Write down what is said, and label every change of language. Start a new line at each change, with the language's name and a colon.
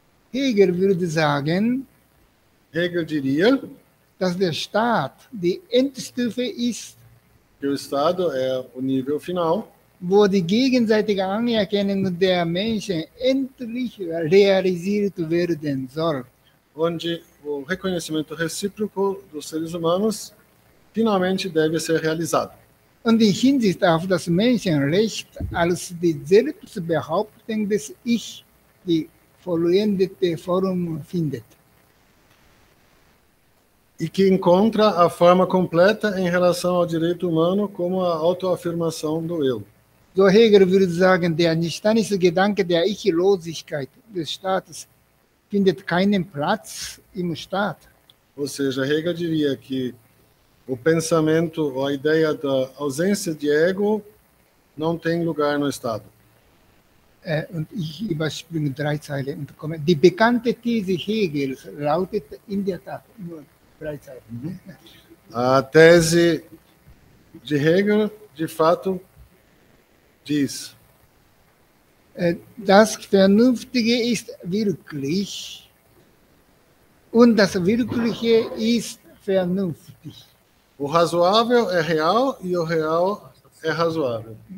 German: Hegel würde sagen,
Portuguese: Hegel diria,
German: dass der Staat die Endstufe ist,
Portuguese: que o Estado é o nível final,
German: wo die gegenseitige Anerkennung der Menschen endlich realisiert werden soll.
Portuguese: Onde o reconhecimento recíproco dos seres humanos finalmente deve ser realizado.
German: Und in Hinsicht auf das Menschenrecht als die Selbstbehauptung des Ich, die folgende Form findet.
Portuguese: E que encontra a forma completa em relação ao direito humano como a autoafirmação do eu.
German: So Hegel würde sagen, der nichtanische Gedanke der Ichlosigkeit des Staates findet keinen Platz im Staat.
Portuguese: Ou seja, Hegel diria que o pensamento ou a ideia da ausência de ego não tem lugar no Estado.
German: Und ich überspringe drei Zeilen und komme. Die bekannte These Hegels lautet in der Tat nur drei Zeilen.
Portuguese: A tese de Hegel, de fato, diz:
German: Das Vernünftige ist wirklich und das Wirkliche ist vernünftig.
Portuguese: O razoável é real e o real é razoável.